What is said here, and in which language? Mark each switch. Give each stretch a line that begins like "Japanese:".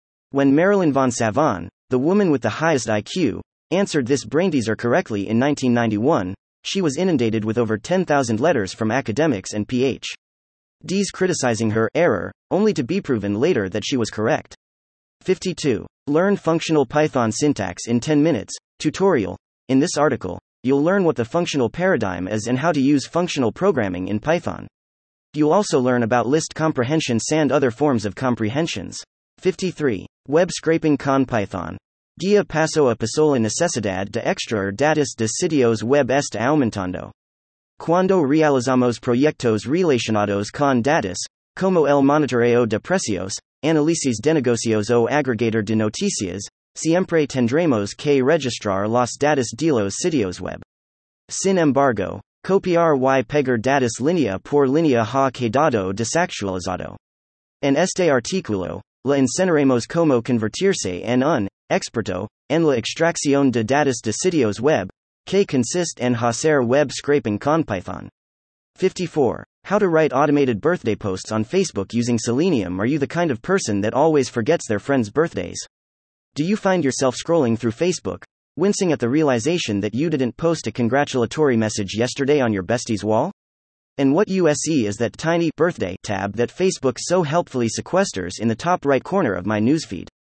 English: When Marilyn von Savon, the woman with the highest IQ, answered this brain teaser correctly in 1991, she was inundated with over 10,000 letters from academics and PhDs criticizing her error, only to be proven later that she was correct. 52. Learn functional Python syntax in 10 minutes, tutorial. In this article, you'll learn what the functional paradigm is and how to use functional programming in Python. You'll also learn about list comprehension and other forms of comprehensions.
Spanish: 53. Web scraping con Python. Guía paso a paso la necesidad de extraer datos de sitios web está aumentando. Cuando realizamos proyectos relacionados con datos, como el monitoreo de precios, análisis de negocios o agregador de noticias, siempre tendremos que registrar los datos de los sitios web. Sin embargo, copiar y pegar datos línea por línea ha quedado desactualizado. En este artículo, le enseñaremos cómo convertirse en un experto en la extracción de datos de sitios web, que consiste en hacer web scraping con Python.
English: 54. How to write automated birthday posts on Facebook using Selenium. Are you the kind of person that always forgets their friends' birthdays? Do you find yourself scrolling through Facebook, wincing at the realization that you didn't post a congratulatory message yesterday on your bestie's wall? And what you see is that tiny birthday tab that Facebook so helpfully sequesters in the top right corner of my newsfeed.